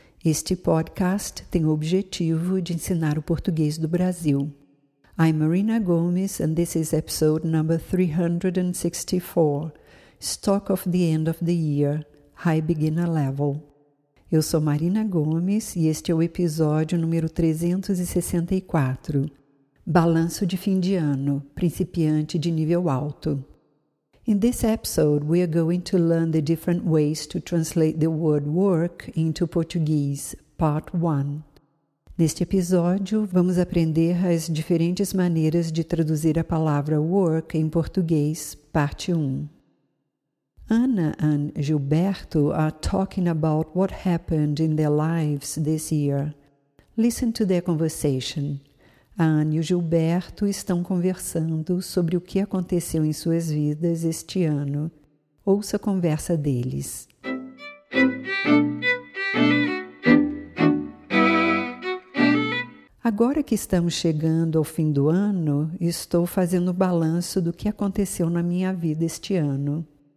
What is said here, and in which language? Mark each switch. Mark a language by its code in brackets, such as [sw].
[pt] Este podcast tem o objetivo de ensinar o português do Brasil. [en] I'm Marina Gomes and this is episode number 364, Stock of the End of the Year, High Beginner Level. [pt] Eu sou Marina Gomes e este é o episódio número 364, Balanço de Fim de Ano, Principiante de Nível Alto. [en] In this episode, we are going to learn the different ways to translate the word work into Portuguese, Part 1. [pt] Neste episódio, vamos aprender as diferentes maneiras de traduzir a palavra work em português, Parte 1. [en] Ana and Gilberto are talking about what happened in their lives this year. Listen to their conversation. [pt] A Ana e o Gilberto estão conversando sobre o que aconteceu em suas vidas este ano. Ouça a conversa deles. Agora que estamos chegando ao fim do ano, estou fazendo o balanço do que aconteceu na minha vida este ano.